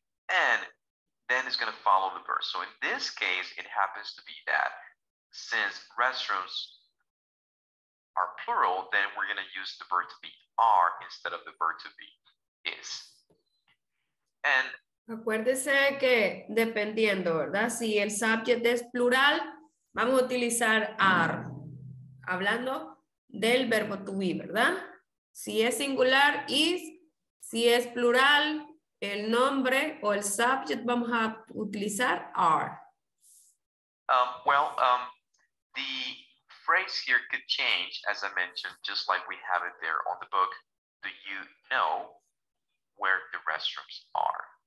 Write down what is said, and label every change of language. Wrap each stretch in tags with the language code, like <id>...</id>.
<en>And then it's going to follow the verb. So in this case, it happens to be that since restrooms are plural, then we're going to use the verb to be are instead of the verb to be is. And</en> <es>acuérdese que dependiendo, ¿verdad? Si el subject es plural, Vamos a utilizar are, hablando del verbo to be, ¿verdad? Si es singular, is. Si es plural, el nombre o el subject, vamos a utilizar are.</es> <en>The phrase here could change, as I mentioned, just like we have it there on the book. Do you know where the restrooms are?</en>